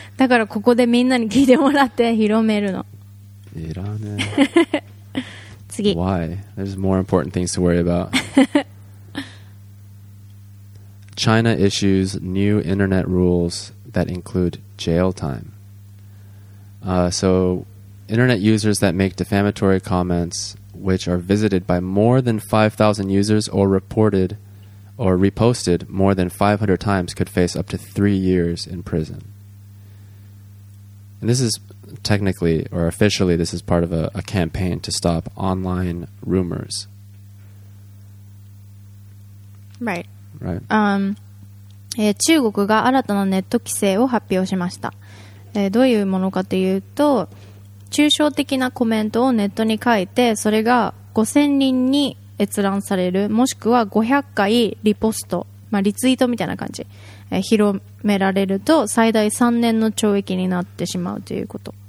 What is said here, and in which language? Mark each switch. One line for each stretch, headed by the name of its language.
Japanese: だからここでみんなに聞いてもらって広めるの。いらね。次。
English: Why? There's more important things to worry about. China issues new internet rules that include jail time. So internet users that make defamatory comments, which are visited by more than 5,000 users or reported or reposted more than 500 times, could face up to 3 years in prison. And this is technically, or officially, this is part of a campaign to stop online rumors. Right. Right.
Japanese: 中国が新たなネット規制を発表しました。どういうものかというと、抽象的なコメントをネットに書いて、それが5000人に閲覧される、もしくは500回リポスト、まあ、リツイートみたいな感じ、広められると最大3年の懲役になってしまうということ。